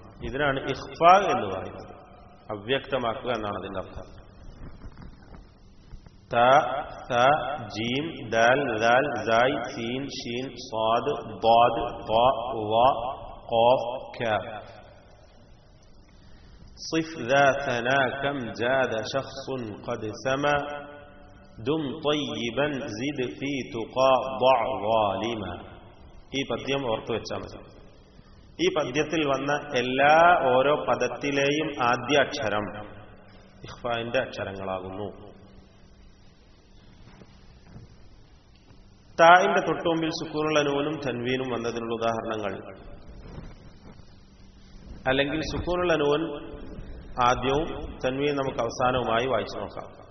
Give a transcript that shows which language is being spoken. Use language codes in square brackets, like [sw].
[ml] ഇതിനാണ് ഇഖ്ഫാ എന്ന് പറയുന്നത്, അവ്യക്തമാക്കുക എന്നാണ് അതിന്റെ അർത്ഥം. ത, സ, ജീം, ദാൽ, ദാൽ, സായ്, സീൻ, ഷീൻ, സ്വാദ്, ബാദ്, ഖാ, വാ, ഖാഫ്, കാഫ്. [ar] صف ذا ثنا كم جاد شخص قد سما دم طيبا زد في تقى ضع ظالما. [ml] ഈ പദ്യം ഓർത്തു വെച്ചാൽ മതി. ഈ പദ്യത്തിൽ വന്ന എല്ലാ ഓരോ പദത്തിലെയും ആദ്യ അക്ഷരം ഇഖ്ഫാന്റെ അക്ഷരങ്ങളാകുന്നു. തായിന്റെ തൊട്ടുമുമ്പിൽ സുക്കൂനുള്ള നൂനും തൻവീനും വന്നതിനുള്ള ഉദാഹരണങ്ങൾ, അല്ലെങ്കിൽ സുക്കൂനുള്ള നൂൻ ആദ്യവും തൻവീൻ നമുക്ക് അവസാനവുമായി വായിച്ചു നോക്കാം.